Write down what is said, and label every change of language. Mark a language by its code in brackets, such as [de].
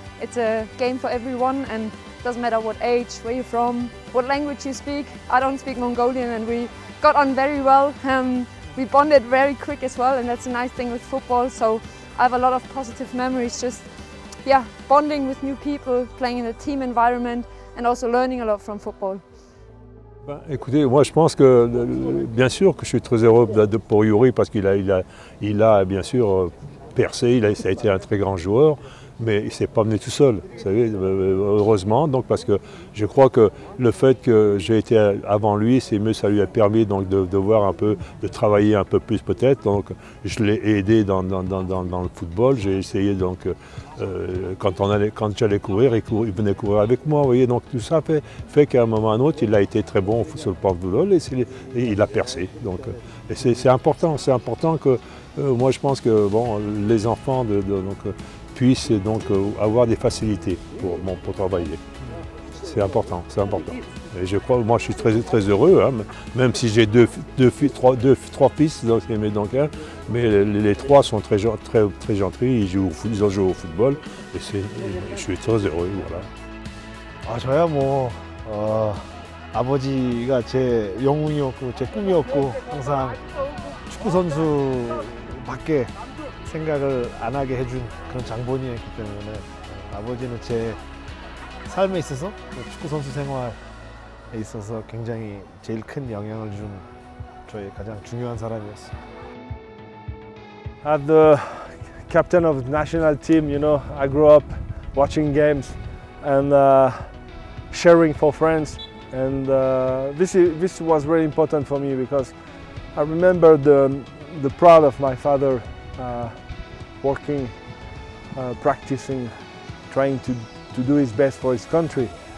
[en] It's a game for everyone, and doesn't matter what age, where you're from, what language you speak. I don't speak Mongolian, and we got on very well. We bonded very quick as well, and that's a nice thing with football. So I have a lot of positive memories just, yeah, bonding with new people, playing in a team environment, and also learning a lot from football. [fr] Ben, écoutez, moi je pense que, bien sûr que je suis très heureux pour Youri parce qu'il a bien sûr percé, ça a été un très grand joueur, mais il ne s'est pas mené tout seul, vous savez, heureusement, donc parce que je crois que le fait que j'ai été avant lui, c'est mieux, ça lui a permis donc de voir un peu, de travailler un peu plus peut-être, donc je l'ai aidé dans le football, j'ai essayé donc, quand j'allais courir, il venait courir avec moi, vous voyez, donc tout ça fait qu'à un moment ou à un autre, il a été très bon sur le port de football et il a percé, donc et c'est important que, moi je pense que, bon, les enfants donc, puissent donc avoir des facilités pour travailler. C'est important. Et je crois, moi je suis très, très heureux, hein, même si j'ai trois fils, donc, mais les trois sont très, très, très gentils, ils ont joué au football, et je suis très heureux, voilà. Ah, je suis bon. [ko] 아버지가 제 영웅이었고, 제 꿈이었고, 항상 축구선수밖에 생각을 안 하게 해준 그런 장본인이었기 때문에 아버지는 제 삶에 있어서, 축구선수 생활에 있어서 굉장히 제일 큰 영향을 준 저의 가장 중요한 사람이었어요. [en] I'm the captain of the national team, you know, I grew up watching games and sharing for friends. And this was very important for me because I remember the pride of my father working, practicing, trying to do his best for his country.